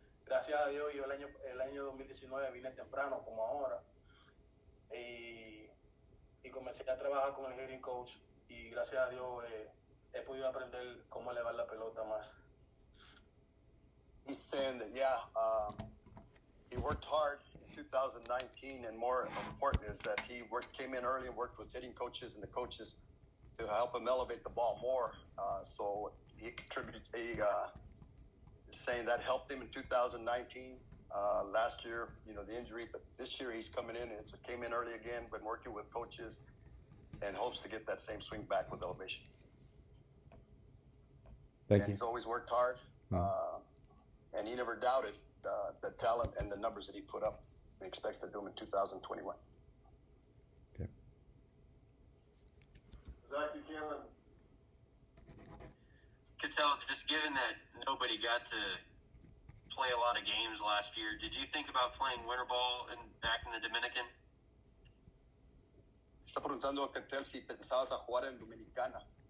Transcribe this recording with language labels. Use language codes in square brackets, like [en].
[es] Gracias a Dios, yo el año 2019 vine temprano, como ahora, y comencé a trabajar con el hitting coach, y gracias a Dios he podido aprender cómo elevar la pelota más. [en] He's saying that, yeah, he worked hard in 2019, and more important is that came in early and worked with hitting coaches and the coaches to help him elevate the ball more. So he contributed, saying that helped him in 2019, last year, you know, the injury, but this year he's coming in and came in early again, been working with coaches, and hopes to get that same swing back with elevation. Thank and you. He's always worked hard. And he never doubted the talent and the numbers that he put up. He expects to do them in 2021. Okay. Zach Buchanan. Cattell, just given that nobody got to play a lot of games last year, did you think about playing winter ball back in the Dominican? [es] Está preguntando a Cattell si pensabas a jugar en Dominicana.